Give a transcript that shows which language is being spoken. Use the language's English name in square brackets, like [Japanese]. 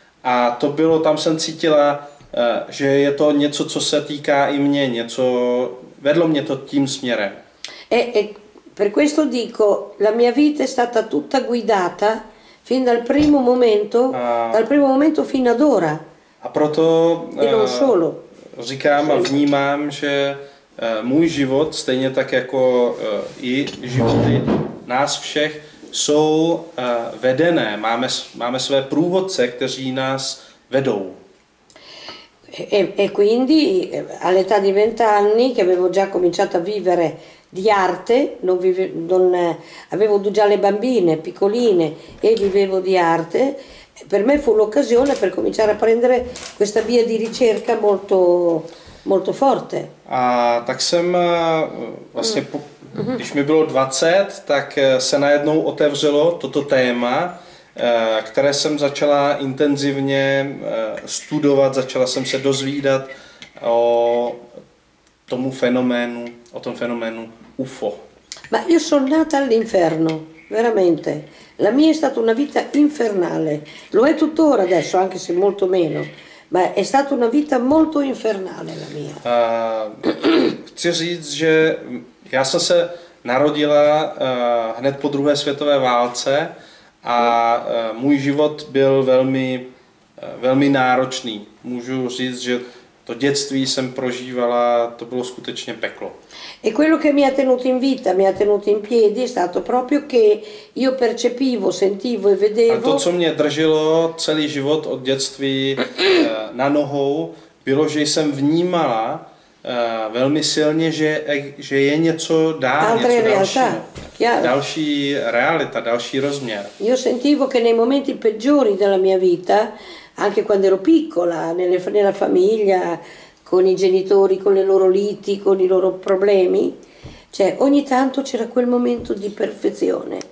[Czech] A to bylo, tam jsem cítila, že je to něco, co se týká i mě, něco, vedlo mě to tím směrem. [Italian] E per questo dico, la mia vita è stata tutta guidata fin dal primo momento, dal primo momento fino ad ora. [Czech] A proto říkám a vnímám, že můj život, stejně tak jako i životy nás všech, jsou vedené, máme své průvodce, kteří nás vedou. [Italian] E quindi all'età di 20 anni che avevo già cominciato a vivere di arte, avevo già le bambine piccoline e vivevo di arte, per me fu l'occasione per cominciare a prendere questa via di ricerca molto molto forte. [Czech] A tak jsem vlastně když mi bylo 20, tak se najednou otevřelo toto téma, které jsem začala intenzivně studovat, začala jsem se dozvídat o tomu fenoménu, o tom fenoménu UFO. [Italian] Ma io sono nata all'inferno, veramente. La mia è stata una vita infernale. Lo è tuttora adesso, anche se molto meno. Ma è stata una vita molto infernale la mia. [Czech] Chci říct, že já jsem se narodila hned po druhé světové válce a můj život byl velmi, velmi náročný. Můžu říct, že to dětství jsem prožívala, to bylo skutečně peklo. [Italian] E quello che mi ha tenuto in vita, mi ha tenuto in piedi, è stato proprio che io percepivo, sentivo e vedevo. [Czech] A to, co mě drželo celý život od dětství na nohou, bylo, že jsem vnímala velmi silně, že je něco dál, [Italian] altra [Czech] něco [Italian] realtà, [Czech] dalšího, další realita, další rozměr. [Italian] Io sentivo che nei momenti peggiori della mia vita, anche quando ero piccola, nella famiglia, con i genitori, con le loro liti, con i loro problemi, cioè ogni tanto c'era quel momento di perfezione.